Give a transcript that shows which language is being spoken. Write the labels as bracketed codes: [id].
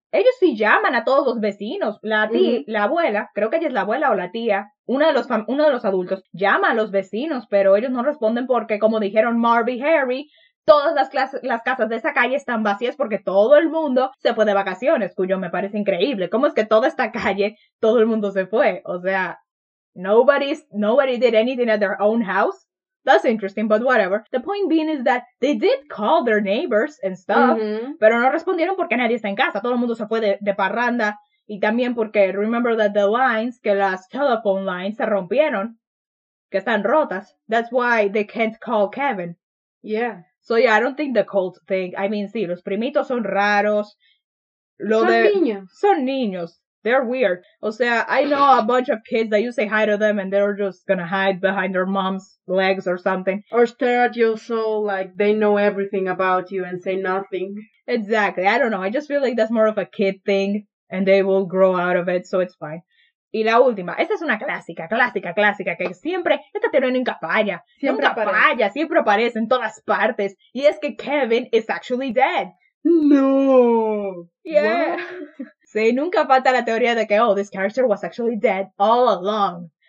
[es] Ellos sí llaman a todos los vecinos, la tía, la abuela, creo que ella es la abuela o la tía, uno de los adultos, llama a los vecinos, pero ellos no responden porque, como dijeron Marv y Harry, todas las casas de esa calle están vacías porque todo el mundo se fue de vacaciones, cuyo me parece increíble. ¿Cómo es que toda esta calle, todo el mundo se fue? O sea, [en] nobody did anything at their own house. That's interesting, but whatever. The point being is that they did call their neighbors and stuff. [es] Pero no respondieron porque nadie está en casa. Todo el mundo se fue de parranda. Y también porque, [en] remember that the lines, [es] que las [en] telephone lines [es] se rompieron. Que están rotas. [en] That's why they can't call Kevin. So yeah, I don't think the cult thing. I mean, [es] sí, los primitos son raros. Lo Son de. niños. Son niños. [en] They're weird. [es] O sea, [en] I know a bunch of kids that you say hi to them and they're just gonna hide behind their mom's legs or something. Or stare at your soul like they know everything about you and say nothing. Exactly. I don't know. I just feel like that's more of a kid thing and they will grow out of it, so it's fine. [es] Y la última. Esta es una clásica, clásica, clásica, que siempre, esta teoría nunca falla. Siempre Nunca aparece. falla. Siempre aparece en todas partes. Y es que Kevin [en] is actually dead. [es] No. [en] Yeah. What? [es] Sí, nunca falta la teoría de que, [en] oh, this character was actually dead all along.